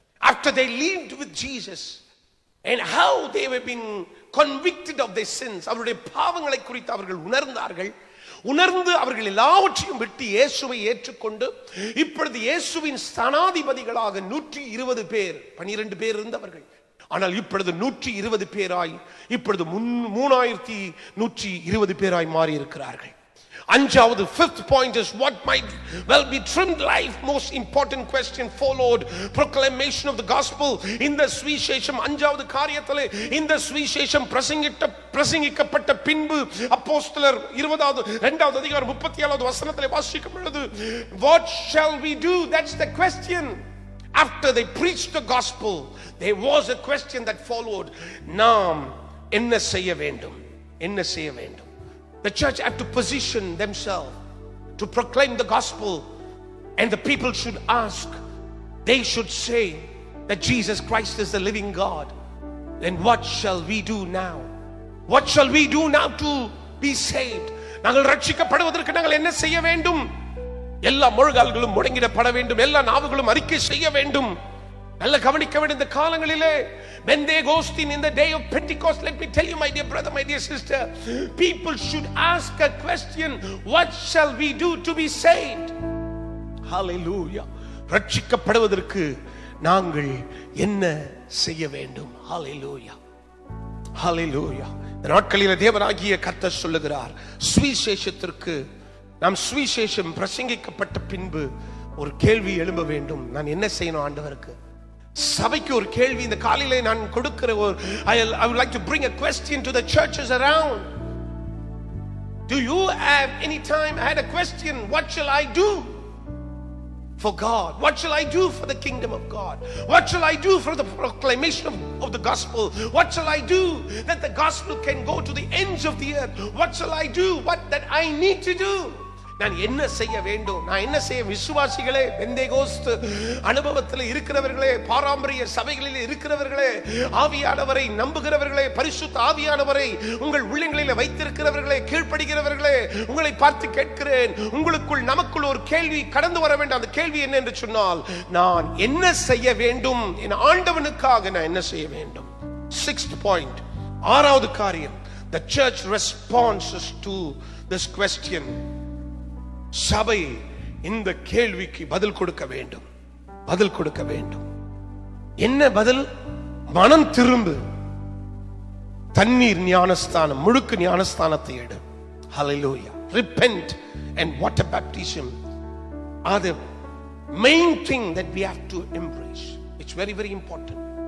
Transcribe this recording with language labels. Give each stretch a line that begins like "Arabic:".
English: After they lived with Jesus and how they were being convicted of their sins,
Tamil: அவருடைய பாவங்களை குறித்து அவர்கள் உணர்ந்தார்கள். உணர்ந்து அவர்கள் எல்லாவற்றையும் விட்டு இயேசுவை ஏற்றுக்கொண்டு இப்பொழுது இயேசுவின் ஸ்தானாதிபதிகளாக 120 பேர், 12 பேர் இருந்தவர்கள், ஆனால் இப்பொழுது 120 பேராய் இப்பொழுது 3120 பேராய் மாறி இருக்கிறார்கள். அஞ்சாவது,
English: fifth point is what might well be trimmed life, most important question followed proclamation of the gospel in the suvisesham.
Tamil: அஞ்சாவது காரியத்தில்
English: in the suvisesham
Tamil: பிரசங்கிக்கப்பட்ட பின்பு அப்போஸ்தலர் 2:37 வாசிக்கும் பொழுது,
English: what shall we do? That's the question. After they preached the gospel, there was a question that followed.
Tamil: நாம் என்ன செய்ய வேண்டும்? என்ன செய்ய வேண்டும்?
English: The church had to position themselves to proclaim the gospel, and the people should ask, they should say that Jesus Christ is the living God. Then what shall we do now? What shall we do now to be saved?
Tamil: நாங்கள் ரட்சிக்கப்படுவதற்கு நாங்கள் என்ன செய்ய வேண்டும்? எல்லா முழங்கால்களும் முடங்கிடப்பட வேண்டும், எல்லா நாவுகளும் அறிக்கை செய்ய வேண்டும். நல்ல கவனிக்கவேண்டும், இந்த காலங்களிலே
English: when they go in the day of Pentecost, let me tell you, my dear brother, my dear sister, people should ask a question, what shall we do to be saved? Hallelujah.
Tamil: ரட்சிக்கப்படுவதற்கு நாங்கள் என்ன செய்ய வேண்டும்? Hallelujah. Hallelujah. இந்த நாட்களில் தேவனாகிய கர்த்தர் சொல்லுகிறார், சுவிசேஷத்திற்கு நாம் சுவிசேஷம் பிரசங்கிக்கப்பட்ட பின்பு ஒரு கேள்வி எழும்ப வேண்டும், நான் என்ன செய்யணும் ஆண்டவருக்கு? சபைக்கு ஒரு கேள்வி இந்த காலையிலே நான் கொடுக்கிற ஒரு,
English: I would like to bring a question to the churches around. Do you have any time had a question? What shall I do for God? What shall I do for the kingdom of God? What shall I do for the proclamation of the gospel? What shall I do that the gospel can go to the ends of the earth? What shall I do? What that I need to do?
Tamil: நான் என்ன செய்ய வேண்டும்? நான் என்ன செய்ய? விசுவாசிகளே, பெந்தேகோஸ்த் அனுபவத்தில் இருக்கிறவர்களே, பாரம்பரிய சபைகளில் இருக்கிறவர்களே, ஆவியானவரை நம்புகிறவர்களே, பரிசுத்த ஆவியானவரை உங்கள் உள்ளங்களில் வைத்திருக்கிறவர்களே, கீழ்ப்படுகிறவர்களே, உங்களை பார்த்து கேட்கிறேன், உங்களுக்குள் நமக்குள் ஒரு கேள்வி கடந்து வர வேண்டும். அந்த கேள்வி என்ன என்று சொன்னால், நான் என்ன செய்ய வேண்டும்? என் ஆண்டவனுக்காக நான் என்ன செய்ய வேண்டும்?
English: Sixth point,
Tamil: ஆறாவது காரியம்,
English: the church responds to this question.
Tamil: சபை இந்த கேள்விக்கு பதில் கொடுக்க வேண்டும், பதில் கொடுக்க வேண்டும். என்ன பதில்? மனம் திரும்பு, தண்ணீர் ஞானஸ்தானம், முழுக்க ஞானஸ்தானத்தை எடு. ஹல்லேலூயா.
English: Repent and what a baptism.
Tamil: அது main
English: thing that we have to embrace. It's very very important.